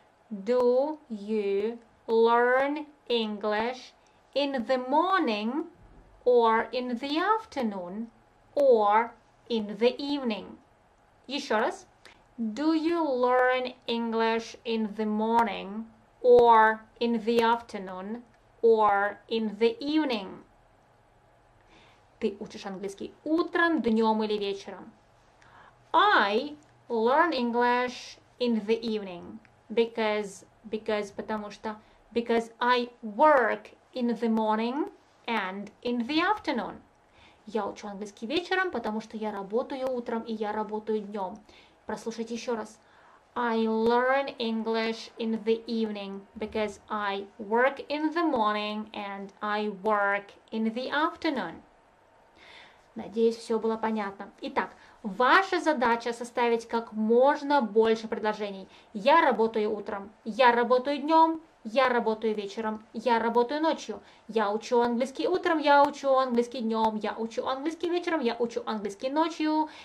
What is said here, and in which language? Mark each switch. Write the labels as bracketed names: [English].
[English] Do you learn English in the morning or in the afternoon or in the evening? [Russian] Еще раз. [English] Do you learn English in the morning or in the afternoon or in the evening? [Russian] Ты учишь английский утром, днем или вечером? [English] I learn English in the evening because because, [Russian] потому что, [English] because I work in the morning and in the afternoon. [Russian] Я учу английский вечером, потому что я работаю утром и я работаю днем. Прослушайте еще раз. [English] I learn English in the evening because I work in the morning and I work in the afternoon. [Russian] Надеюсь, все было понятно. Итак, ваша задача составить как можно больше предложений. Я работаю утром, я работаю днем, я работаю вечером, я работаю ночью. Я учу английский утром, я учу английский днем, я учу английский вечером, я учу английский ночью.